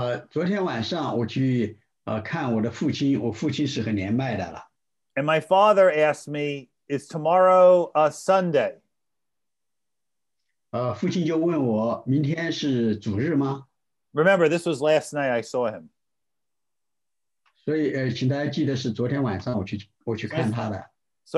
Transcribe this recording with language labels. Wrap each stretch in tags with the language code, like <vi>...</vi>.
<zh>昨天晚上我去看我的父亲，我父亲是很年迈的了。</zh> <en>And my father asked me, is tomorrow a Sunday?</en> <zh>父亲就问我明天是主日吗？</zh> <en>Remember, this was last night I saw him.</en> <zh>所以请大家记得是昨天晚上我去看他的。</zh> <en>So</en>